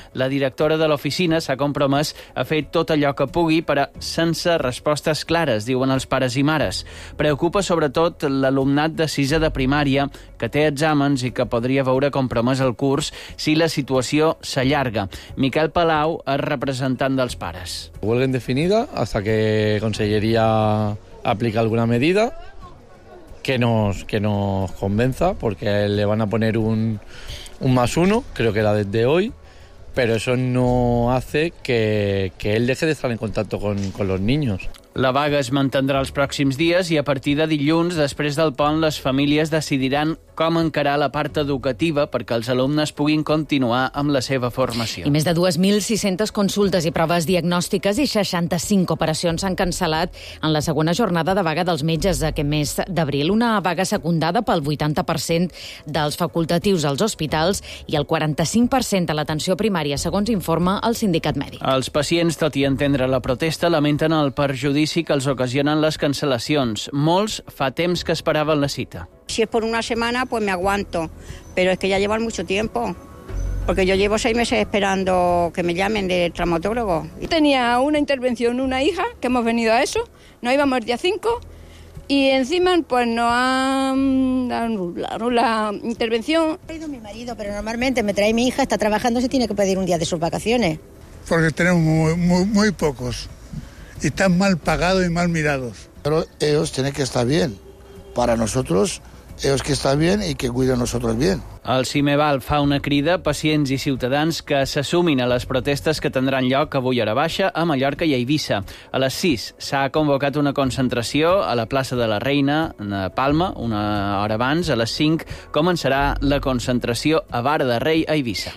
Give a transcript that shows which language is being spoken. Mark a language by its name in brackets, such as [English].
[Catalan] La directora de l'oficina s'ha compromès a fer tot allò que pugui, però sense respostes clares, diuen els pares i mares. Preocupa sobretot l'alumnat de sisè de primària, que té exàmens i que podria veure compromès el curs si la situació s'allarga. Miquel Palau és representant dels pares. Ho vol [Spanish] indefinida hasta que conselleria aplica alguna medida que nos convenza, porque le van a poner un más uno, creo que era desde hoy, pero eso no hace que él deje de estar en contacto con los niños. [Catalan] La vaga es mantendrà els pròxims dies i a partir de dilluns, després del pont, les famílies decidiran com encarar la part educativa perquè els alumnes puguin continuar amb la seva formació. I més de 2.600 consultes i proves diagnòstiques i 65 operacions s'han cancel·lat en la segona jornada de vaga dels metges aquest mes d'abril. Una vaga secundada pel 80% dels facultatius als hospitals i el 45% a l'atenció primària, segons informa el Sindicat Mèdic. Els pacients, tot i entendre la protesta, lamenten el perjudici que els ocasionen les cancel·lacions. Molts fa temps que esperaven la cita. [Spanish] Si es por una semana, pues me aguanto, pero es que ya llevan mucho tiempo, porque yo llevo 6 meses esperando que me llamen de traumatólogo. Tenía una intervención una hija, que hemos venido a eso, no íbamos el día 5, y encima pues no han anulado la intervención. He traído a mi marido, pero normalmente me trae mi hija, está trabajando, se tiene que pedir un día de sus vacaciones. Porque tenemos muy pocos, y están mal pagados y mal mirados. Pero ellos tienen que estar bien. Para nosotros, ellos que están bien y que cuiden nosotros bien. [Catalan] El Cimeval fa una crida a pacients i ciutadans que s'assumin a les protestes que tindran lloc avui a Hora Baixa, a Mallorca i a Eivissa. A les 6 s'ha convocat una concentració a la plaça de la Reina, a Palma, una hora abans. A les 5 començarà la concentració a Vara de Rei, a Eivissa.